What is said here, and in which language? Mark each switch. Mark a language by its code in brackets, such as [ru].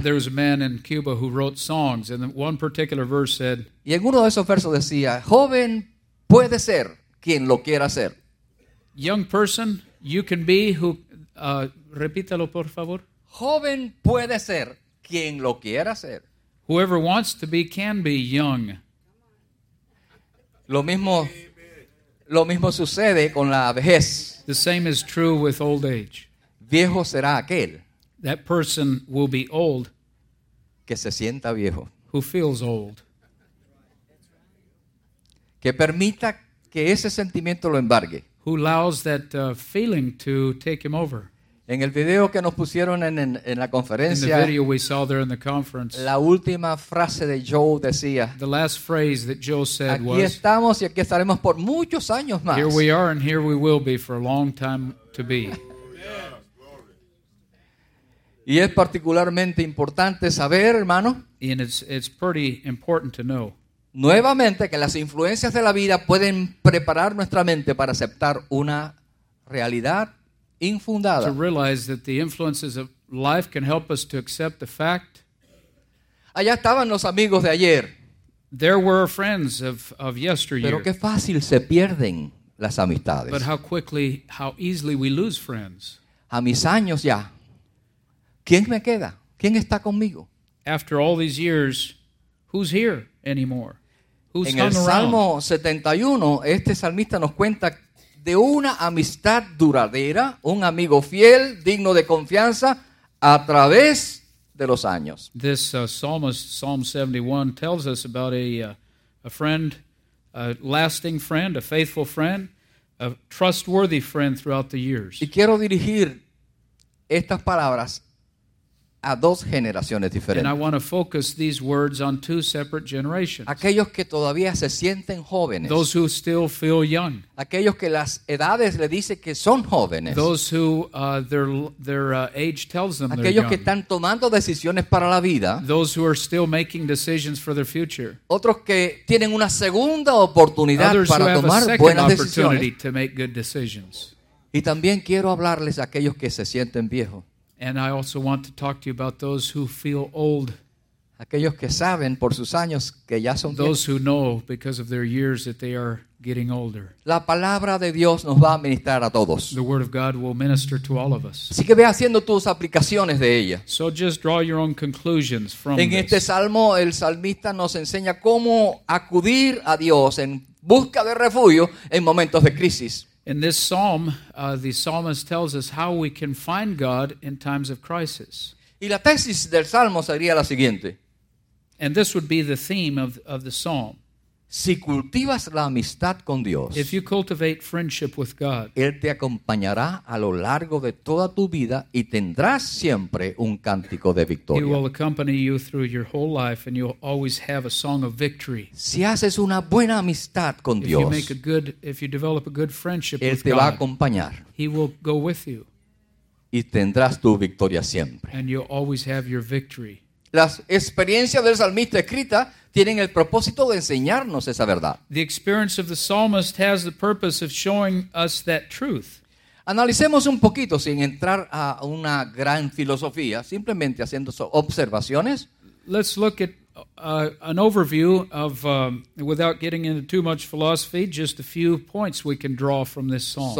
[en] There was a man in Cuba who wrote songs, and one particular verse said. [es] Y en uno de esos versos decía, joven puede ser quien lo quiera ser. [en] Young person, you can be who, [es] repítalo por favor. Joven puede ser quien lo quiera ser. [en] Whoever wants to be can be young. [es] Lo mismo sucede con la vejez. [en] The same is true with old age. [es] Viejo será aquel. [en] That person will be old. [es] Que se sienta viejo. [en] Who feels old. [es] Que permita que ese sentimiento lo embargue. [en] Who allows that feeling to take him over. [es] En el video que nos pusieron en la conferencia, [en] in the video we saw there in the conference, [es] la última frase de Joe decía, [en] the last phrase that Joe said [es] aquí [en] was, [es] estamos y aquí estaremos por muchos años más. [en] Here we are and here we will be for a long time to be. [es] Y es particularmente importante saber, hermano, [en] and it's pretty important to know, [es] nuevamente que las influencias de la vida pueden preparar nuestra mente para aceptar una realidad infundada. [en] To realize that the influences of life can help us to accept the fact. [es] Allá estaban los amigos de ayer. [en] There were friends of yesteryear. [es] Pero qué fácil se pierden las amistades. [en] But how easily we lose friends. [es] A mis años ya. ¿Quién me queda? ¿Quién está conmigo? [en] After all these years, who's here anymore? Who's [es] en el Salmo 71, este salmista nos cuenta de una amistad duradera, un amigo fiel, digno de confianza, a través de los años. [en] This psalmist, Psalm 71, tells us about a friend, a lasting friend, a faithful friend, a trustworthy friend throughout the years. [es] Y quiero dirigir estas palabras a dos generaciones diferentes. [en] And I want to focus these words on two separate generations. [es] Aquellos que todavía se sienten jóvenes. [en] Those who still feel young. [es] Aquellos que las edades le dicen que son jóvenes. [en] Those who their age tells them [es] aquellos [en] they're young. [es] Aquellos que están tomando decisiones para la vida. [en] Those who are still making decisions for their future. [es] Otros que tienen una segunda oportunidad [en] others [es] para tomar buenas decisiones. [en] To make good decisions. [es] Y también quiero hablarles a aquellos que se sienten viejos. [en] And I also want to talk to you about those who feel old. [es] Aquellos que saben por sus años que ya son [en] those bien. Who know because of their years that they are getting older. [es] La palabra de Dios nos va a ministrar a todos. [en] The word of God will minister to all of us. [es] Así que ve haciendo tus aplicaciones de ella. [en] So just draw your own conclusions from [es] en [en] this. [es] Este salmo, el salmista nos enseña cómo acudir a Dios en busca de refugio en momentos de crisis. [en] In this psalm, the psalmist tells us how we can find God in times of crisis. [es] Y la tesis del salmo sería la siguiente. [en] And this would be the theme of the psalm. [es] Si cultivas la amistad con Dios, [en] if you cultivate friendship with God, [es] Él te acompañará a lo largo de toda tu vida y tendrás siempre un cántico de victoria. [en] He will accompany you through your whole life and you'll always have a song of victory. [es] Si haces una buena amistad con [en] if [es] Dios, [en] you make a good, if you develop a good friendship [es] Él [en] with [es] te [en] God, [es] va a acompañar. [en] He will go with you. [es] Y tendrás tu victoria siempre. [en] And you'll always have your victory. [es] Las experiencias del salmista escrita tienen el propósito de enseñarnos esa verdad. [en] The experience of the psalmist has the purpose of showing us that truth. [es] Analicemos un poquito sin entrar a una gran filosofía, simplemente haciendo observaciones. [en] Let's look at an overview of, without getting into too much philosophy, just a few points we can draw from this psalm.